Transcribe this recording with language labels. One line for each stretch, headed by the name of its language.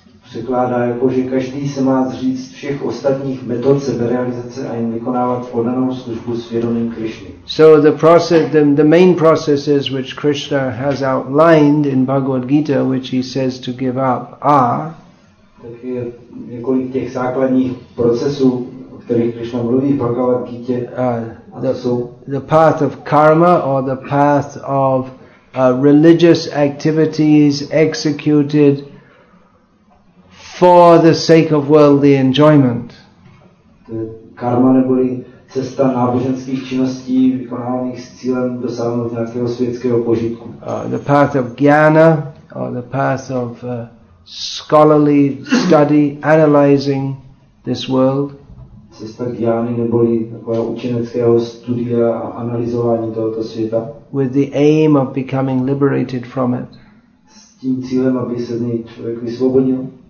Czech: Překládá jako, že každý se má zříct všech ostatních metod seberealizace a jen vykonávat podanou službu svědomím Krišny.
English: So the process, the main processes which Krishna has outlined in Bhagavad Gita, which he says to give up, are...
Czech: Tak je několik těch základních procesů, o kterých Krišna mluví v Bhagavad Gita,
English: the path of karma or the path of religious activities executed for the sake of worldly enjoyment.
Czech: Karma neboli cesta náboženských činností vykonávaných s cílem dosáhnout nějakého světského požitku.
English: The path of jnana, or the path of scholarly study, analyzing this world.
Czech: Cesta jnany neboli takového učeneckého studia a analyzování tohoto světa.
English: With the aim of becoming liberated from it.
Czech: S tím cílem, aby se z něj člověk vysvobodil.